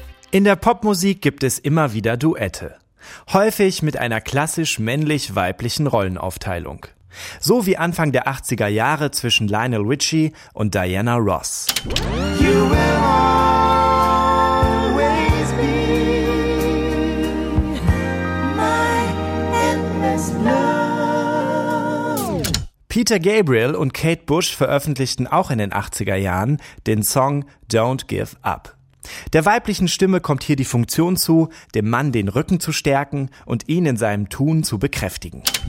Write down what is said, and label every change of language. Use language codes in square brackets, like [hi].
[de] In der Popmusik gibt es immer wieder Duette. Häufig mit einer klassisch männlich-weiblichen Rollenaufteilung. So wie Anfang der 80er Jahre zwischen Lionel Richie und Diana Ross. [en] You will always be my endless love. [de] Peter Gabriel und Kate Bush veröffentlichten auch in den 80er Jahren den Song Don't Give Up. Der weiblichen Stimme kommt hier die Funktion zu, dem Mann den Rücken zu stärken und ihn in seinem Tun zu bekräftigen.